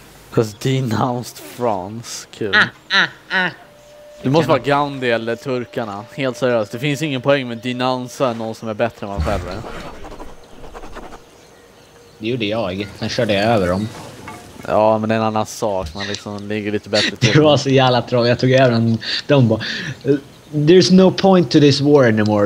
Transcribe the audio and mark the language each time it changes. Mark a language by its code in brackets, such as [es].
[en] Because denounced France. [sv] Kul. Det måste vara Gandhi eller turkarna. Helt seriöst. Det finns ingen poäng med denounsa någon som är bättre än man själv. Det gjorde jag. Sen körde jag över dem. Ja, men det är en annan sak. Man liksom ligger lite bättre till. Det var så jävla tråkigt. Jag tog över dem. De bara, [en] there's no point to this war anymore.